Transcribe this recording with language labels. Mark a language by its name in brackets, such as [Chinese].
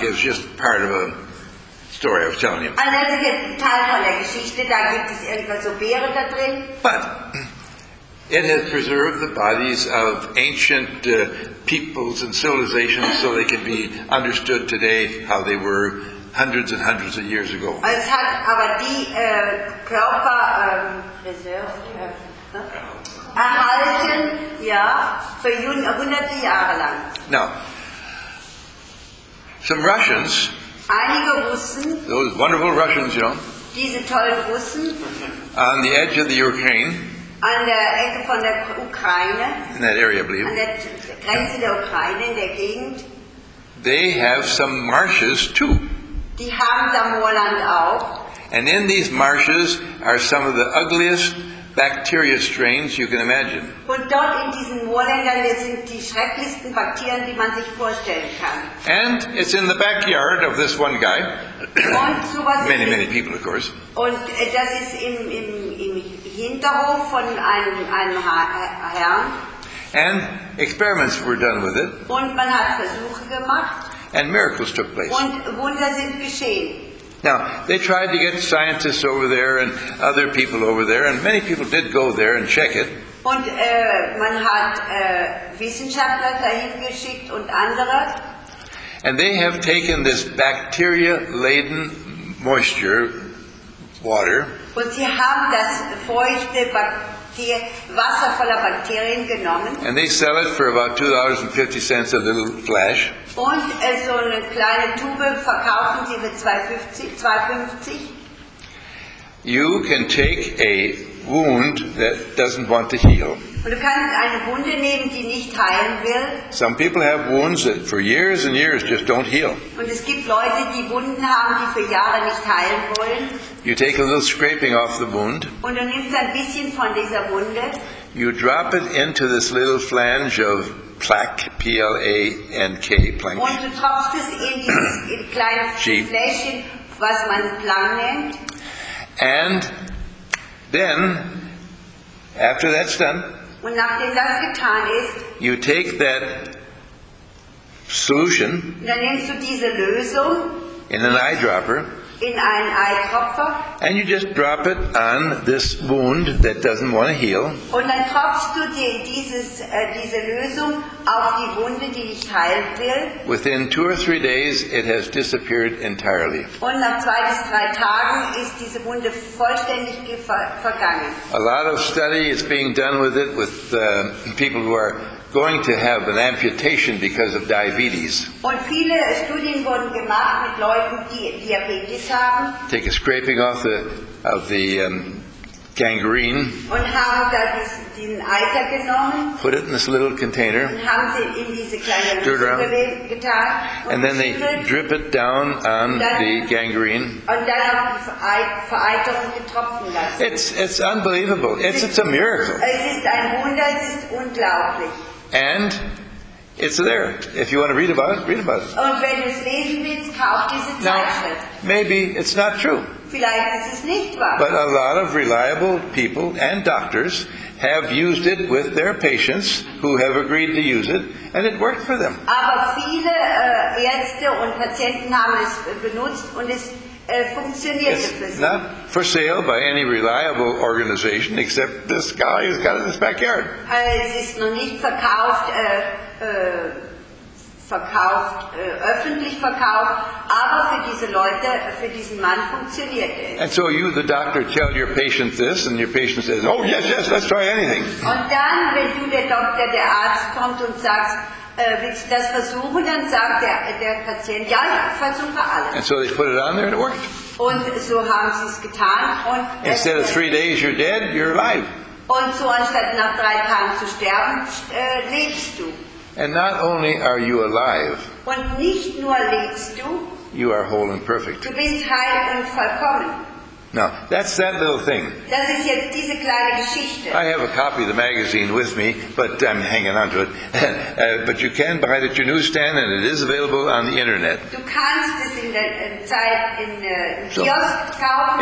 [English] It's just part of a story I was telling you. [German] Also das ist Teil von der Geschichte. Da gibt es irgendwas so Beeren da drin. [English] But it has preserved the bodies of ancient peoples and civilizations so they can be understood today how they were hundreds and hundreds of years ago. [German] Es hat aber die Körper preserviert. Erhalten, ja, für hunderte Jahre lang. [English] Now, some Russians, [German] einige Russen, [English] those wonderful Russians, you know, [German] diese tollen Russen, [English] on the edge of the Ukraine, [German] an der Ecke von der Ukraine, [English] in that area, I believe, [German] an der Grenze der Ukraine, in der Gegend, [English] they have some marshes too. [German] Die haben da Moorland auch. [English] And in these marshes are some of the ugliest bacteria strains you can imagine. [German] Und dort in diesen Moorländern sind die schrecklichsten Bakterien, die man sich vorstellen kann. [English] And it's in the backyard of this one guy. [German] Und sowas [English] many, many people, of course. [German] Und das ist im Hinterhof von einem Herrn. [English] And experiments were done with it. [German] Und man hat Versuche gemacht. [English] And miracles took place. [German] Und Wunder sind geschehen. [English] Now, they tried to get scientists over there and other people over there, and many people did go there and check it. [German] Und man hat Wissenschaftler dahin geschickt und andere. [English] And they have taken this bacteria-laden moisture water. [German] Und sie haben das feuchte Wasser voller Bakterien genommen. [English] And they sell it for about $2.50 a little flash. [German] Und so eine kleine Tube verkaufen sie für 2,50. [English] You can take a wound that doesn't want to heal. [German] Und du kannst eine Wunde nehmen, die nicht heilen will. [English] Some people have wounds that for years and years just don't heal. [German] Und es gibt Leute, die Wunden haben, die für Jahre nicht heilen wollen. [English] You take a little scraping off the wound. [German] Und du nimmst ein bisschen von dieser Wunde. [English] You drop it into this little flange of plaque, P-L-A-N-K, plank. [German] Und du tropfst es in dieses kleine Fläschchen, was man Plank nennt. [English] And then, after that's done, [German] und nachdem das getan ist, [English] you take that solution, [German] dann nimmst du diese Lösung [English] in an eyedropper, [German] in einen Eyedropper, [English] and you just drop it on this wound that doesn't want to heal. [German] Und dann tropfst du diese Lösung auf die Wunde, die nicht heilen will. [English] Within 2 or 3 days, it has disappeared entirely. [German] Und nach 2 bis 3 Tagen ist diese Wunde vollständig vergangen. [English] A lot of study is being done with it with people who are going to have an amputation because of diabetes. [German] Und viele Studien wurden gemacht mit Leuten, die Diabetes haben. [English] Take a scraping off the gangrene. [German] Und haben da den Eiter genommen. [English] Put it in this little container. [German] Und haben sie in diese kleine Lösung getan. [English] And then they drip it down on the gangrene. [German] Und dann auf die Vereiterung getroffen lassen. [English] It's unbelievable. It's a miracle. [German] Es ist ein Wunder. Es ist unglaublich. [English] And it's there. If you want to read about it, read about it. [German] Und wenn du es lesen willst, kauf diese Zeitschrift. [English] Maybe it's not true. [German] Vielleicht ist es nicht wahr. [English] But a lot of reliable people and doctors have used it with their patients who have agreed to use it, and it worked for them. [German] Aber viele Ärzte und Patienten haben es benutzt und es funktioniert für sie. [English] It's not for sale by any reliable organization except this guy who's got it in his backyard. [German] Es ist noch nicht öffentlich verkauft, aber für diese Leute, für diesen Mann funktioniert es. [English] And so you, the doctor, tell your patient this, and your patient says, oh yes, let's try anything. [German] Und dann, wenn du der Doktor, der Arzt kommt und sagst, willst du das versuchen? Dann sagt der Patient, ja, ich versuche alles. [English] And so they put it on there and it worked. [German] Und so haben sie es getan. Und [English] instead of 3 days you're dead, you're alive. [German] Und so anstatt nach 3 Tagen zu sterben, lebst du. [English] And not only are you alive, [German] und nicht nur lebst du, [English] you are whole and perfect. [German] Du bist heil und vollkommen. [English] Now, that's that little thing. [German] Das ist jetzt diese kleine Geschichte. [English] I have a copy of the magazine with me, but I'm hanging on to it. But you can buy it at your newsstand, and it is available on the internet. [German] Du kannst es in der Zeit in so, Kiosk kaufen.